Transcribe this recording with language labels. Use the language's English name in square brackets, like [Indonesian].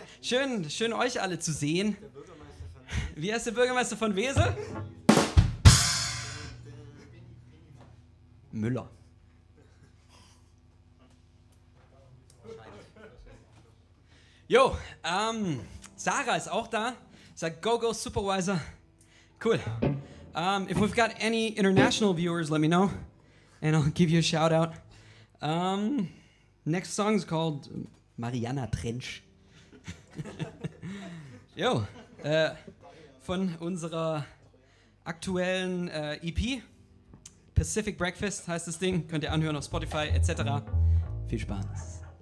[German] Schön, schön euch alle zu sehen. Wie heißt der Bürgermeister von Wesel? Müller. Jo, Sarah ist auch da. Sagt Go, Go, Supervisor. Cool. [English] If we've got any international viewers, let me know, and I'll give you a shout out. Next song's called Mariana Trench. [German] Jo, von unserer aktuellen EP, Pacific Breakfast heißt das Ding, könnt ihr anhören auf Spotify etc. Viel Spaß.